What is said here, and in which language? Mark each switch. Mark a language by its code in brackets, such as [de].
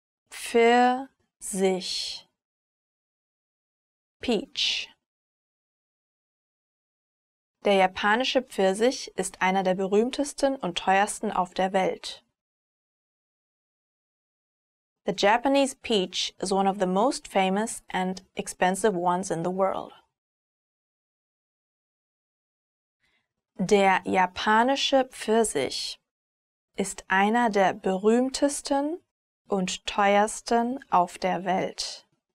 [de] Pfirsich. Peach. Der japanische Pfirsich ist einer der berühmtesten und teuersten auf der Welt. [en] The Japanese peach is one of the most famous and expensive ones in the world. [de] Der japanische Pfirsich ist einer der berühmtesten und teuersten auf der Welt.